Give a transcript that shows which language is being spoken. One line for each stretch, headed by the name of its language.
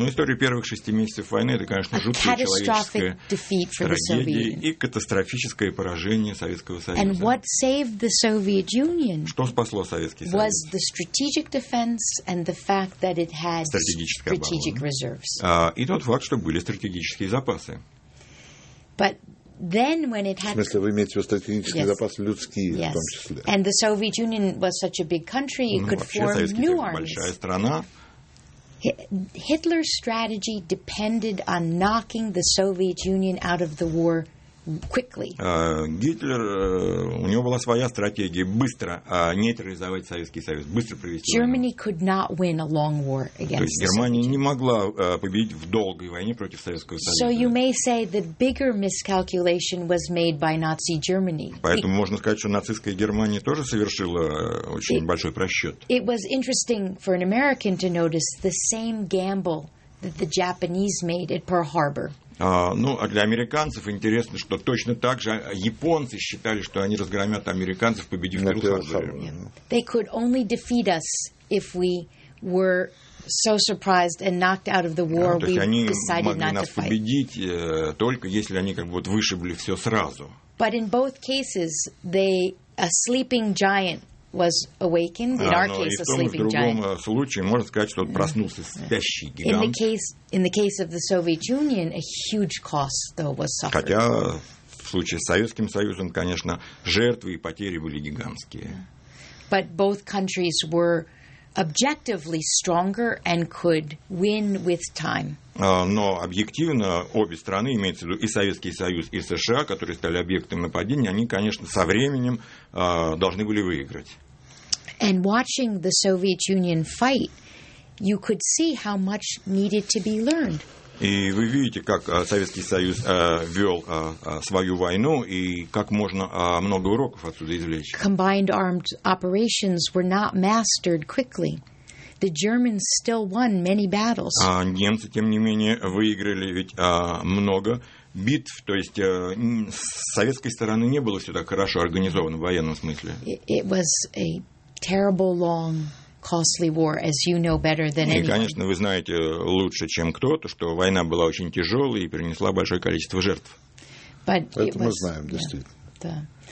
Russian: история первых шести месяцев войны это, конечно, жуткая
English: catastrophic defeat for the Soviet Union.
Russian: И катастрофическое поражение Советского Союза.
English: And what saved the Soviet Union?
Russian: Что спасло Советский Союз?
English: Was the strategic defense and the fact that it had strategic reserves.
Russian: И тот факт, что были стратегические запасы.
English: But then when it had...
Russian: В смысле, вы имеете в виду стратегические запасы людские,
English: yes,
Russian: в том числе.
English: And the Soviet Union was such a big country, it could form new armies.
Russian: Большая страна.
English: Hitler's strategy depended on knocking the Soviet Union out of the war quickly.
Russian: Гитлер, у него была своя стратегия быстро нейтрализовать Советский Союз, быстро провести войну.
English: Germany could not win a long war against
Russian: То есть Германия не могла победить в долгой войне против Советского Союза.
English: So you may say the bigger miscalculation was made by Nazi Germany.
Russian: Поэтому можно сказать, что нацистская Германия тоже совершила очень большой просчет.
English: It was interesting for an American to notice the same gamble that the Japanese made at Pearl Harbor.
Russian: А для американцев интересно, что точно так же японцы считали, что они разгромят американцев, победив в Перл-Харборе.
English: They could only defeat us if we were so surprised and knocked out of the war, we decided not to fight.
Russian: То есть они могли нас победить только если они как бы вот вышибли все сразу.
English: But in both cases, a sleeping giant was awakened, in our case, a sleeping giant.
Russian: В другом случае можно сказать, что проснулся спящий гигант.
English: In the case of the Soviet Union, a huge cost, though, was suffered.
Russian: Хотя в случае с Советским Союзом, конечно, жертвы и потери были гигантские.
English: But both countries were objectively stronger and could win with time.
Russian: Но объективно обе страны, имеется в виду и Советский Союз, и США, которые стали объектом нападения, они, конечно, со временем должны были выиграть.
English: And watching the Soviet Union fight, you could see how much needed to be learned.
Russian: И вы видите, как Советский Союз вел свою войну, и как можно много уроков отсюда извлечь.
English: Combined armed operations were not mastered quickly. The Germans still won many battles.
Russian: А немцы, тем не менее, выиграли ведь много битв. То есть с советской стороны не было все так хорошо организовано в военном смысле.
English: It was a terrible long costly war, as you know better than anyone.
Russian: И, конечно, вы знаете лучше, чем кто-то, что война была очень тяжелой и принесла большое количество жертв.
English: But
Russian: это мы знаем, действительно.